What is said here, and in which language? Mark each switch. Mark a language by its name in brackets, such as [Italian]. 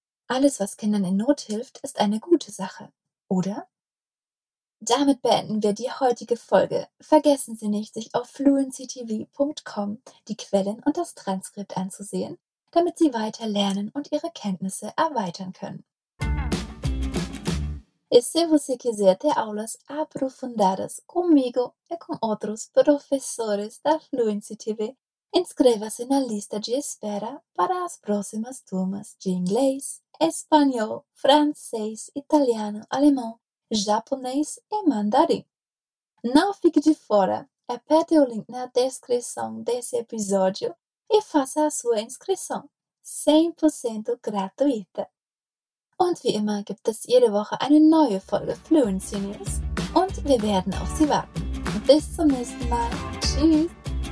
[German] Alles, was Kindern in Not hilft, ist eine gute Sache, oder? Damit beenden wir die heutige Folge. Vergessen Sie nicht, sich auf fluencytv.com die Quellen und das Transkript anzusehen, damit Sie weiter lernen und Ihre Kenntnisse erweitern können. [Portuguese] Y si você quiser ter aulas aprofundadas comigo e com outros professores da Fluency TV, inscreva-se na lista de espera para as próximas turmas de inglês, espanhol, francês, italiano, alemão, japonês e mandarim. Não fique de fora, aperte o link na descrição desse episódio e faça a sua inscrição, 100% gratuita. [German] Und wie immer gibt es jede Woche eine neue Folge Fluency News und wir werden auf Sie warten. Bis zum nächsten Mal. Tschüss.